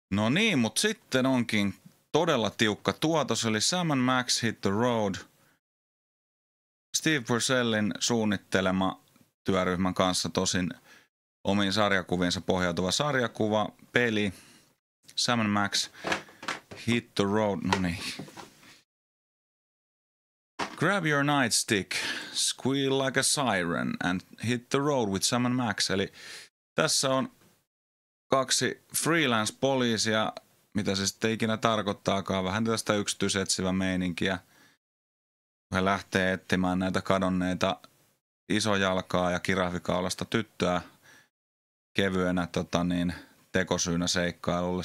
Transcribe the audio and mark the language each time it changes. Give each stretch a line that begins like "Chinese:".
Finnish: niin, mutta sitten onkin todella tiukka tuotos, eli Sam&Max Hit the Road, Steve Purcellin suunnittelema työryhmän kanssa tosin omiin sarjakuviinsa pohjautuva sarjakuva, peli, Sam&Max Hit the Road, no niin.
English: Grab your nightstick, squeal like a siren, and hit the road with Sam&Max.
Finnish: Eli tässä on kaksi freelance-poliisia, mitä se sitten ikinä tarkoittaakaan. Vähän tästä yksityisetsivä meininkiä. He lähtee etsimään näitä kadonneita isojalkaa ja kirahvikaulasta tyttöä kevyenä tekosyynä seikkailulle.